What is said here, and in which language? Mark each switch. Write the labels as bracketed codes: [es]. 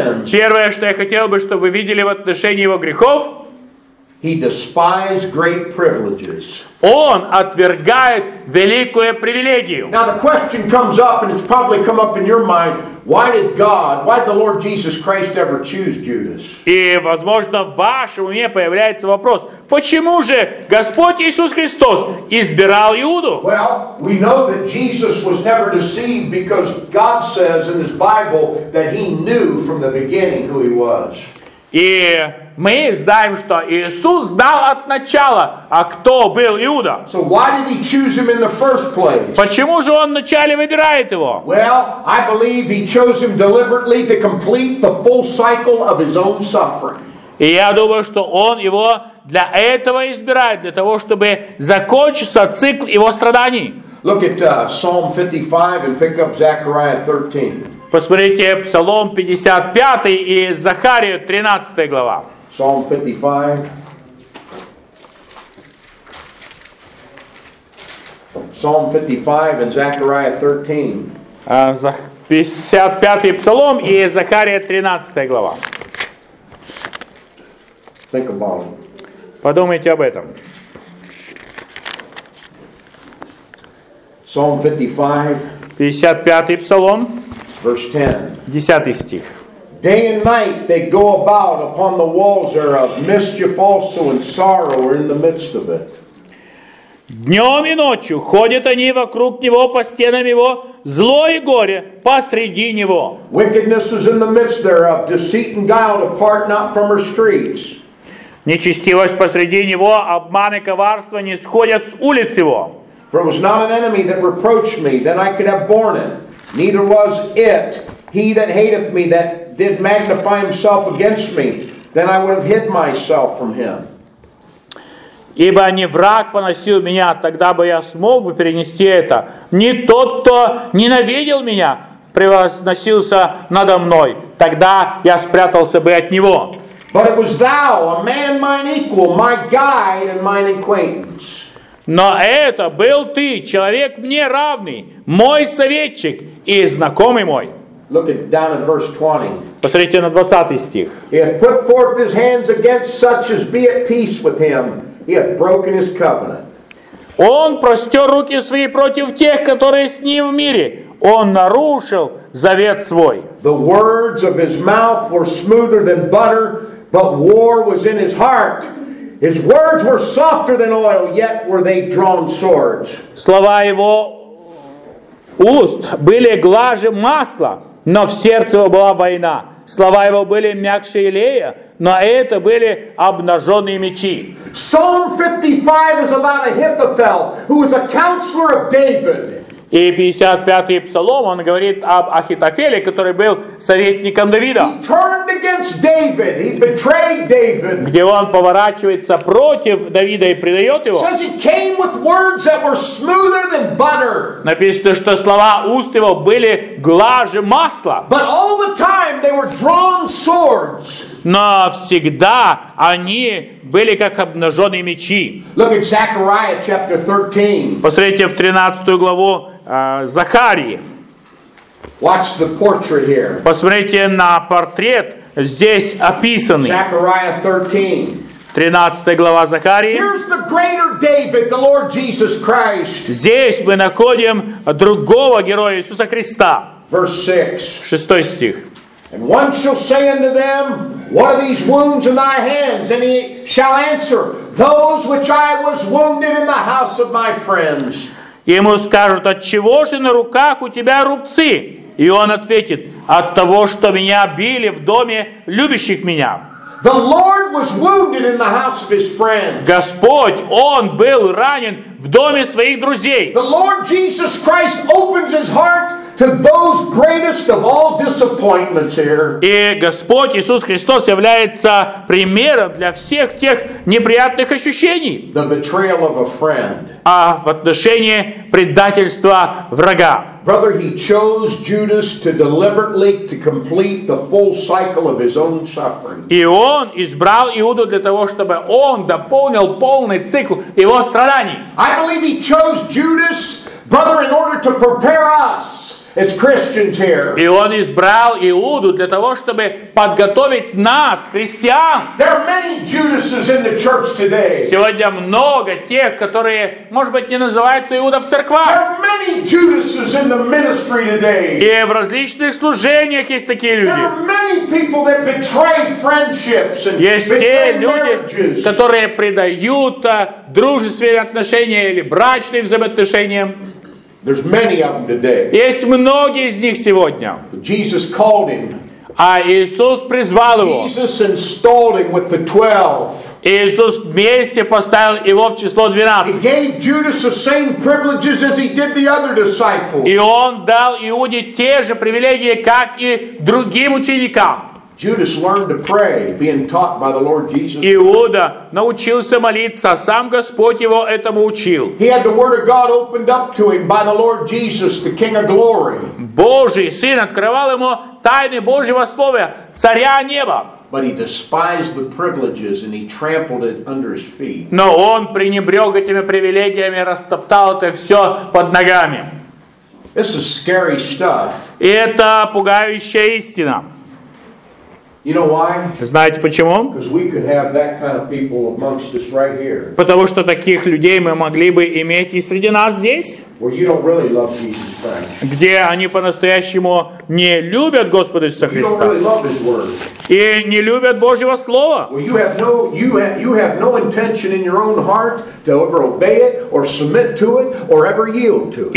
[ru] Первое, что я хотел бы, чтобы вы видели в отношении его грехов, он отвергает великую привилегию. [en] Now the question comes up, and it's probably come up in your mind: why did the Lord Jesus Christ ever choose Judas? [ru] И, возможно, в вашем уме появляется вопрос: почему же Господь Иисус Христос избирал Иуду? [en] Well, we know that Jesus was never deceived because God says in His Bible that He knew from the beginning who He was. [ru] И мы знаем, что Иисус знал от начала, а кто был Иуда. [en] So why did he choose him in the first place? [ru] Почему же он вначале выбирает его? [en] Well, I believe he chose him deliberately to complete the full cycle of his own suffering. [ru] И я думаю, что он его для этого избирает, для того, чтобы закончился цикл его страданий. [en] Look at Psalm 55 and pick up Zechariah 13. [ru] Посмотрите Псалом 55 и Захарию 13 глава. [en] Psalm 55. Psalm 55 and Zechariah 13. [ru] 55 Псалом и Захария 13 глава. [en] Think about it. [ru] Подумайте об этом. [en] Psalm 55. [ru] 55 Псалом. [en] Verse [ru] 10. 10 стих. [en] Day and night they go about upon the walls thereof, mischief also and sorrow are in the midst of it. [ru] Днем и ночью ходят они вокруг него, по стенам его, зло и горе посреди него. [en] Wickedness is in the midst thereof, deceit and guile depart not from her streets. [ru] Нечестивость посреди него, обман и коварство не сходят с улиц его. [en] For it was not an enemy that reproached me, that I could have borne it. Neither was it he that hateth me, that did magnify himself against me, then I would have hid myself from him. [ru] Ибо не враг поносил меня, тогда бы я смог бы перенести это. Не тот, кто ненавидел меня, превозносился надо мной. Тогда я спрятался бы от него. [en] But it was thou, a man mine equal, my guide and mine acquaintance. [ru] Но это был ты, человек мне равный, мой советчик и знакомый мой. [en] Look at down at verse 20. [ru] Посмотрите на 20 стих. [en] He hath put forth his hands against such as be at peace with him. He hath broken his covenant. [ru] Он простер руки свои против тех, которые с ним в мире. Он нарушил завет свой. [en] The words of his mouth were smoother than butter, but war was in his heart. His words were softer than oil, yet were they drawn swords. [ru] Слова его уст были глаже масла, но в сердце его была война. Слова его были мягче илея, но это были обнаженные мечи. [en] Psalm 55 is about Ahithophel, who was a counselor of David. [ru] И 55-й псалом, он говорит об Ахитофеле, который был советником Давида. [en] He turned against David. He betrayed David. [ru] Где он поворачивается против Давида и предает его. [en] Says he came with words that were smoother than butter. [ru] Написано, что слова уст его были глаже масла. [en] But all the time they were drawn swords. [ru] Но всегда они были как обнаженные мечи. [en] Look at Zechariah chapter 13. [ru] Посмотрите в 13 главу Захарии. [en] Watch the portrait here. [ru] Посмотрите на портрет, здесь описанный. [en] Zechariah 13. [ru] 13 глава Захарии. [en] Here's the greater David, the Lord Jesus Christ. [ru] Здесь мы находим другого героя Иисуса Христа. [en] Verse 6. [ru] 6 стих. [en] And one shall say unto them, What are these wounds in thy hands? And he shall answer, Those which I was wounded in the house of my friends. [ru] Ему скажут, от чего же на руках у тебя рубцы? И он ответит, от того, что меня били в доме любящих меня. [en] The Lord was wounded in the house of his friends. [ru] Господь, он был ранен в доме своих друзей. [en] The Lord Jesus Christ opens his heart to those greatest of all disappointments here. [ru] И Господь Иисус Христос является примером для всех тех неприятных ощущений. [en] The betrayal of a friend. [ru] А в отношении предательства врага. [en] Brother, he chose Judas to deliberately to complete the full cycle of his own suffering. [ru] И он избрал Иуду для того, чтобы он дополнил полный цикл его страданий. [en] I believe he chose Judas, brother, in order to prepare us. As Christians here. [ru] И он избрал Иуду для того, чтобы подготовить нас, христиан. [en] There are many Judases in the church today. [ru] Сегодня много тех, которые, может быть, не называются Иуда в церквах. [en] There are many Judases in the ministry today. [ru] И в различных служениях есть такие люди. [en] There are many people that betray friendships and [ru] есть те люди, которые предают дружественные отношения или брачные взаимоотношения. [en] There's many of them today. [ru] Есть многие из них сегодня. [en] Jesus called him. [ru] А Иисус призвал его. [en] Jesus installed him with the 12. [ru] Иисус вместе поставил его в число 12. [en] He gave Judas the same privileges as he did the other disciples. [ru] И он дал Иуде те же привилегии, как и другим ученикам. [en] Judas learned to pray, being taught by the Lord Jesus. [ru] Иуда научился молиться, сам Господь его этому учил. [en] He had the Word of God opened up to him by the Lord Jesus, the King of Glory. [ru] Божий Сын открывал ему тайны Божьего Слова, Царя Неба. [en] But he despised the privileges and he trampled it under his feet. [ru] Но он пренебрег этими привилегиями, растоптал это все под ногами. [en] This is scary stuff. [ru] Это пугающая истина. [en] You know why? [ru] Знаете почему? [en] Because we could have that kind of people amongst us right here. [ru] Потому что таких людей мы могли бы иметь и среди нас здесь. [en] Where you don't really love Jesus Christ. [ru] Где они по-настоящему не любят Господа Иисуса Христа. [en] You don't really love His word. [ru] И не любят Божьего слова. [en] Well, you have no intention in your own heart to ever obey it or submit to it or ever yield to it.